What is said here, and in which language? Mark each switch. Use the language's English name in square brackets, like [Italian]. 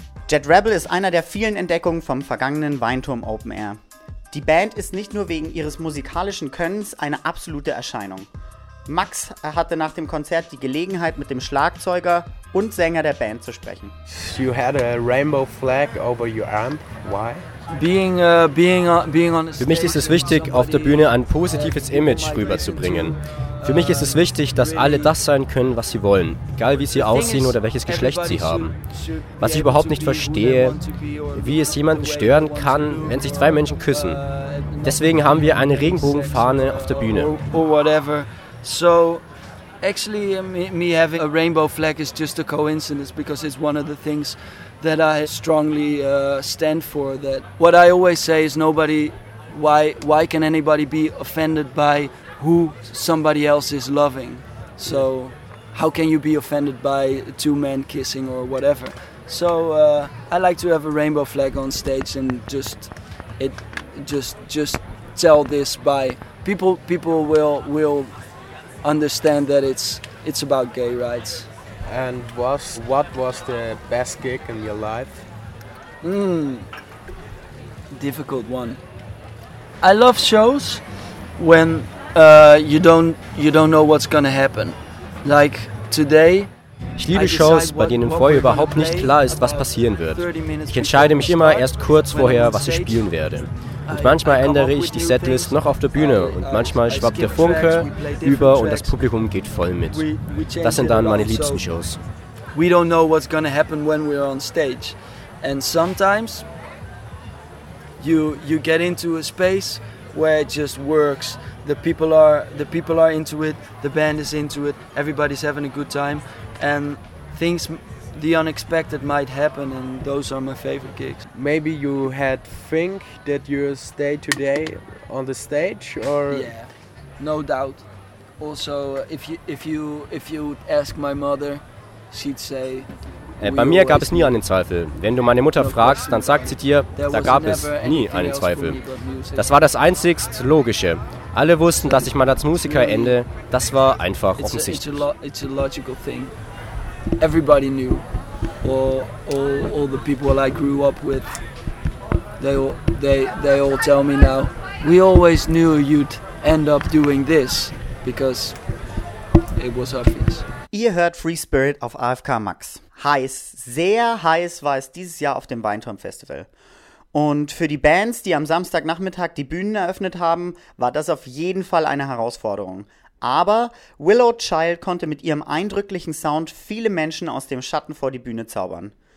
[German] Jet Rebel ist einer der vielen Entdeckungen vom vergangenen Weinturm Open Air. Die Band ist nicht nur wegen ihres musikalischen Könnens eine absolute Erscheinung. Max hatte nach dem Konzert die Gelegenheit, mit dem Schlagzeuger und Sänger der Band zu sprechen. [English] You had a rainbow flag over your arm. Why? [German] Für mich ist es wichtig, auf der Bühne ein positives Image rüberzubringen. Für mich ist es wichtig, dass alle das sein können, was sie wollen, egal wie sie aussehen oder welches Geschlecht sie haben. Was ich überhaupt nicht verstehe, wie es jemanden stören kann, wenn sich zwei Menschen küssen. Deswegen haben wir eine Regenbogenfahne auf der Bühne. [English] So, actually, me having a rainbow flag is just a coincidence because it's one of the things that I strongly stand for. That what I always say is nobody, why can anybody be offended by who somebody else is loving? So, how can you be offended by two men kissing or whatever? So, I like to have a rainbow flag on stage and just tell this by people will. Understand that it's about gay rights. And what was the best gig in your life? Difficult one. I love shows when you don't know what's gonna happen. Like today. [German] Ich liebe Shows, bei denen vorher überhaupt nicht klar ist, was passieren wird. Ich entscheide mich immer erst kurz vorher, was ich spielen werde. Und manchmal ändere ich die Setlist noch auf der Bühne und manchmal schwappt der Funke über und das Publikum geht voll mit. Das sind dann meine liebsten Shows. [English] We don't know what's gonna happen when we're on stage. And sometimes you get into a space where it just works. The people are into it, the band is into it, everybody's having a good time. And things, the unexpected might happen, and those are my favorite gigs. Maybe you had think that you stay today on the stage, or yeah, no doubt. Also, if you would ask my mother, she'd say. [German] Bei mir gab es nie einen Zweifel. Wenn du meine Mutter fragst, dann sagt sie dir, da gab es nie einen Zweifel. Das war das einzigst Logische. Alle wussten, dass ich mal als Musiker ende. Das war einfach offensichtlich. [English] It's a logical thing. Everybody knew. All the people I grew up with, they all tell me now. We always knew you'd end up doing this, because it was obvious. [German] Ihr hört Free Spirit auf AFK Max. Heiß, sehr heiß war es dieses Jahr auf dem Weinturm Festival. Und für die Bands, die am Samstagnachmittag die Bühnen eröffnet haben, war das auf jeden Fall eine Herausforderung. Aber Willow Child konnte mit ihrem eindrücklichen Sound viele Menschen aus dem Schatten vor die Bühne zaubern.